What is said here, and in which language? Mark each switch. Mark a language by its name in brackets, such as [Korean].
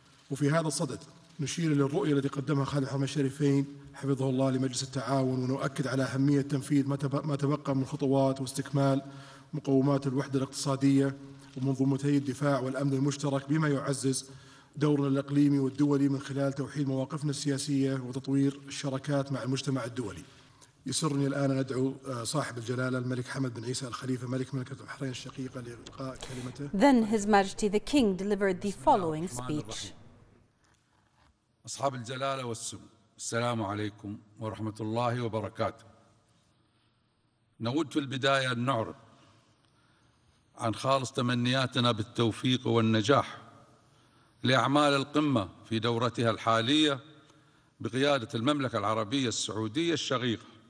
[Arabic] وفي هذا الصدد نشير إلى الرؤية التي قدمها خادم الحرمين الشريفين حفظه الله لمجلس التعاون، ونؤكد على أهمية تنفيذ ما تبقى من خطوات واستكمال مقومات الوحدة الاقتصادية ومنظومتي الدفاع والأمن المشترك بما يعزز دورنا الإقليمي والدولي من خلال توحيد مواقفنا السياسية وتطوير الشراكات مع المجتمع الدولي. يسرني الآن أن أدعو صاحب الجلالة الملك حمد بن عيسى الخليفة ملك مملكة البحرين الشقيقة لإلقاء كلمته. [English] Then His Majesty the King delivered the following speech. [Arabic] أصحاب الجلالة والسمو، السلام عليكم ورحمة الله وبركاته. نود في البداية أن نعرب عن خالص تمنياتنا بالتوفيق والنجاح لأعمال القمة في دورتها الحالية بقيادة المملكة العربية السعودية الشقيقة.